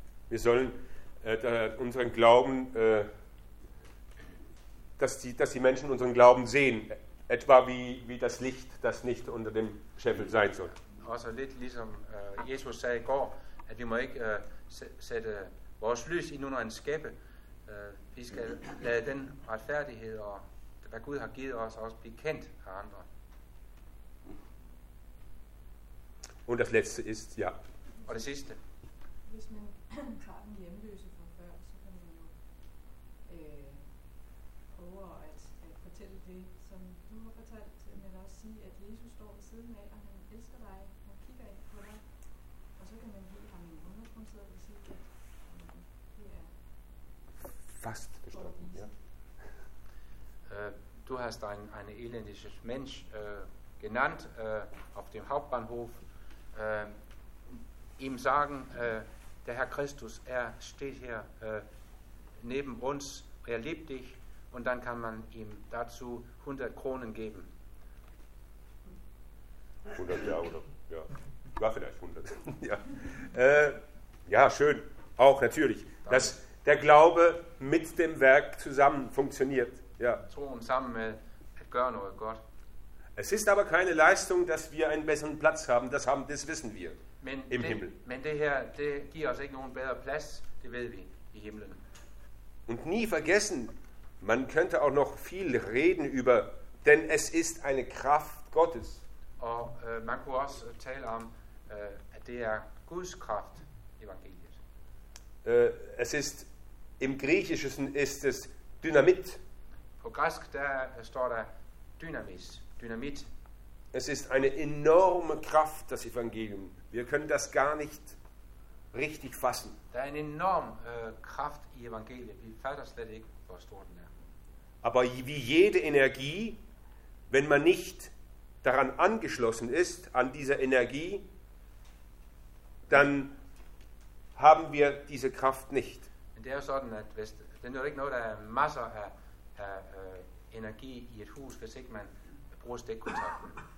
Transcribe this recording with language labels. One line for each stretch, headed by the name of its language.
German: Wir sollen unseren Glauben, dass die Menschen unseren Glauben sehen. Etwa wie das Licht, das nicht unter dem Scheffel sein soll.
Danish: Also lidt ligesom Jesus sagde i går, at vi må ikke sætte vores lys ind under en skæppe. Vi skal lade den retfærdighed, og hvad Gud har givet os, også blive kendt af andre.
German: Und das letzte ist, ja.
Danish: Og det sidste. Hvis man tager den hjemløse fra før, så kan man jo prøve at fortælle det, som du har fortalt, men også sige, at Jesus står ved siden af, og han elsker dig, han kigger ind på dig, og så kan man give ham en undergrundsæde og sige, at det er fast bestemt. Ja. Du har stået
German: en elendig mensch genannt auf dem Hauptbahnhof, ihm sagen, der Herr Christus, er steht hier neben uns, er liebt dich, und dann kann man ihm dazu 100 Kronen geben. 100, ja, oder? Ja, war vielleicht 100. Ja. Ja, schön, auch natürlich, danke. Dass der Glaube mit dem Werk zusammen funktioniert. Ja.
Danish: Troen sammen med at gøre noget godt.
German: Es ist aber keine Leistung, dass wir einen besseren Platz haben, das wissen wir.
Danish: Men
German: im Himmel.
Danish: Men det her, det giver os ikke nogen bedre plads, det ved vi i himlen.
German: Und nie vergessen, man könnte auch noch viel reden über, denn es ist eine Kraft Gottes.
Danish: Und man kunne også tale om, at det er Guds Kraft, evangeliet.
German: Es ist, im Griechischen ist es Dynamit.
Danish: På græsk, der står der Dynamis, Dynamit.
German: Es ist eine enorme Kraft, das Evangelium. Wir können das gar nicht richtig fassen.
Danish: Der ist eine enorme Kraft i evangeliet. Vi fatter slet ikke, hvor stor den er.
German: Aber wie jede Energie, wenn man nicht daran angeschlossen ist, an dieser Energie, dann haben wir diese Kraft nicht.
Danish: Men det er sådan, at hvis, det er ikke noget, der er masser af energi i et hus, hvis ikke man bruger stikkontakten.